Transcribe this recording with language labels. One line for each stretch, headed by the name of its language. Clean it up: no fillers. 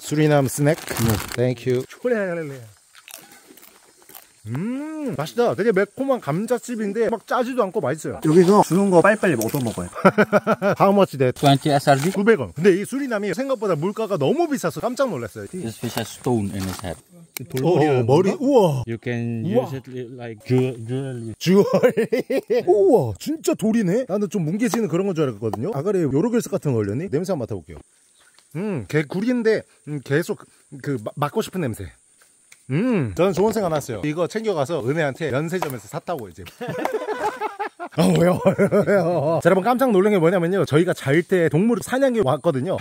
Korean: 수리남 스낵. 땡큐. 맛있다. 되게 매콤한 감자칩인데 막 짜지도 않고 맛있어요. 여기서 주는 거 빨리빨리 얻어먹어요.
English: How much is that? 20 SRD?
Korean: 900원. 근데 이 수리남이 생각보다 물가가 너무 비싸서 깜짝 놀랐어요.
English: This fish has stone in his head.
Korean: 머리? 우와.
English: You can use it like jewelry.
Korean: Jewelry? 우와, 진짜 돌이네. 나는 좀 뭉개지는 그런 건 줄 알았거든요. 아가리에 요로겔스 같은 거 올렸니? 냄새 한번 맡아볼게요. 개 구리인데 계속 그 맡고 싶은 냄새. 저는 좋은 생각 났어요. 이거 챙겨가서 은혜한테 면세점에서 샀다고 이제. 자, 여러분, 깜짝 놀란 게 뭐냐면요, 저희가 잘 때 동물을 사냥해 왔거든요.